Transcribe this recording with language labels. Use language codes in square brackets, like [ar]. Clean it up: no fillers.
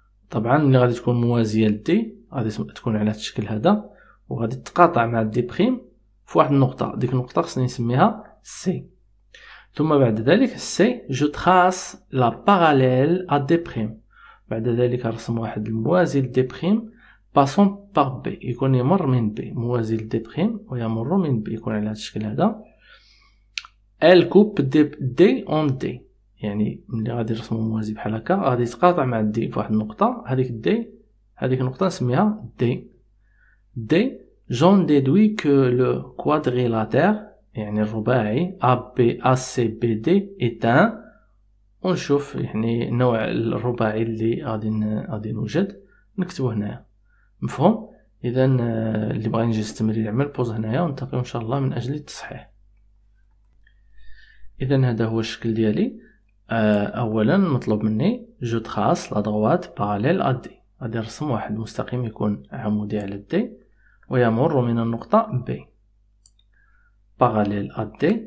[ar] طبعا اللي غادي تكون موازية D غادي تكون على الشكل هذا وغادي تقاطع مع D' في واحد النقطة, ديك النقطة خصني نسميها C. ثم بعد ذلك [fr] C je trace la parallèle à D'. [ar] بعد ذلك رسم واحد الموازي D' [fr] passant par B, [ar] يكون يمر من B, موازي D' ويمر من B, يكون على هذا الشكل هذا. [fr] Elle coupe D en D, [ar] يعني ملي غادي نرسم موازي بحال هكا غادي يتقاطع مع D في واحد النقطة. هذيك النقطة نسميها D. [fr] D j'en déduis que le quadrilatère [ar] يعني الرباعي [fr] ABACBD est un. [ar] ونشوف يعني نوع الرباعي اللي غادي نوجد نكتبه هنايا. مفهوم؟ اذا اللي بغى نجي يستمر يعمل بوز هنايا ونتقي ان شاء الله من اجل التصحيح. اذا هذا هو الشكل ديالي. اولا مطلوب مني جو تراس لا دروات باراليل ا دي, غادي نرسم واحد المستقيم يكون عمودي على دي ويمر من النقطة B [fr] parallèle à D